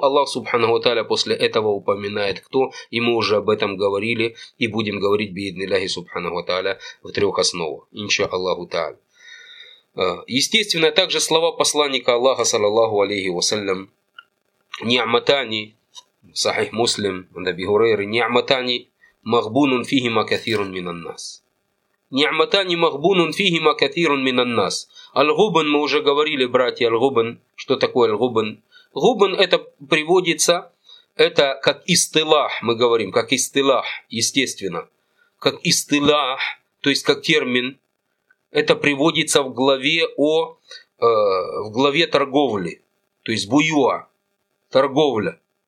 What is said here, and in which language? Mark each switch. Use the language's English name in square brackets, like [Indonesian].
[Russian] Аллах Субханаху ва Тааля после этого упоминает кто? И мы уже об этом говорили. И будем говорить биидниллахи Субханаху ва Тааля в трех основах. Инша Аллаху Тааля. Естественно, также слова посланника Аллаха, саллаллаху алейхи ва саллям. Ниаматани. [Arabic] صحيح مسلم عند أبي هريرة نعمتان مغبون فيهما كثير من الناس. نعمتان مغبون فيهما كثير من الناس. [Russian] الغبن мы уже говорили, братья, الغبن. Что такое الغبن? Губен это приводится, это как истилах, мы говорим, как истилах, естественно. Как истилах, то есть как термин, это приводится в главе о, в главе торговли, то есть буюа, торговля.